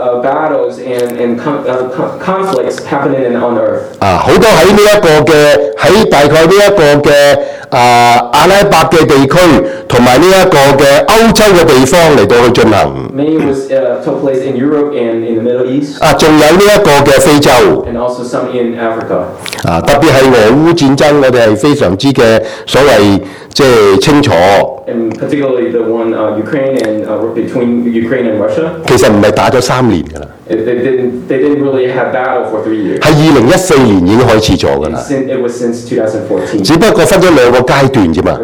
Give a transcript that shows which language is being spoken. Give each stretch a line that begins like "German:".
English: There are many battles and conflicts happening on earth.
Cantonese: 啊，好多喺呢一個嘅喺大概呢一個嘅阿拉伯嘅地區同埋呢一個嘅歐洲嘅地方嚟到去進行。
English: Many was took place in Europe and in the Middle East.
Cantonese: 啊，仲有呢一個嘅非洲。
English: And also some in Africa.
Cantonese: 啊，特別係俄烏戰爭，我哋係非常之嘅所謂即係清楚。
English: And particularly the one Ukraine and between Ukraine and Russia.
Cantonese: 其實唔係打咗三年㗎啦。
English: They didn't really have battle for 3 years.
Cantonese: 係2014年已經開始咗㗎啦。
English: It was since 2014.
Cantonese: 只不過分咗兩個階段啫嘛。